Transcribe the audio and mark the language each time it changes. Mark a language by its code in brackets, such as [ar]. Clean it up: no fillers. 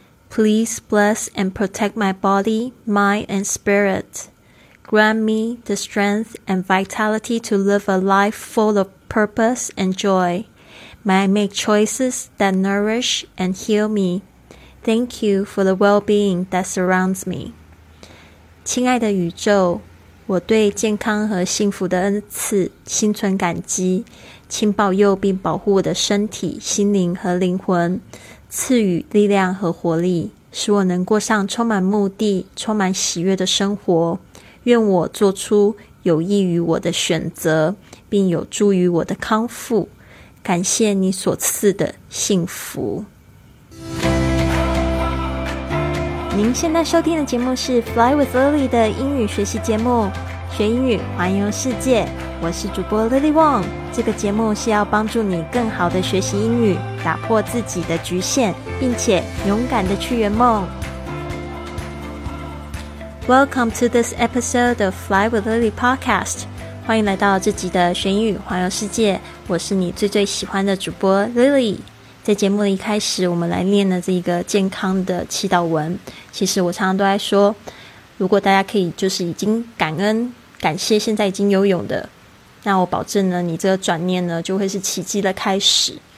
[en] Please bless and protect my body, mind, and spirit. Grant me the strength and vitality to live a life full of purpose and joy. May I make choices that nourish and heal me. Thank you for the well-being that surrounds me. [zh] 亲爱的宇宙，我对健康和幸福的恩赐心存感激，请保佑并保护我的身体、心灵和灵魂，赐予力量和活力，使我能过上充满目的、充满喜悦的生活。愿我做出有益于我的选择，并有助于我的康复。感谢你所赐的幸福。您现在收听的节目是 Fly with Lily 的英语学习节目，学英语环游世界。我是主播 Lily Wong。这个节目是要帮助你更好的学习英语，打破自己的局限，并且勇敢的去圆梦。 [en] Welcome to this episode of Fly with Lily podcast。 [zh] 欢迎来到这集的学英语环游世界，我是你最最喜欢的主播 Lily。在节目的一开始，我们来念的这个健康的祈祷文。其实我常常都在说，如果大家可以就是已经感恩感谢现在已经游泳的，那我保证呢，你这个转念呢就会是奇迹的开始。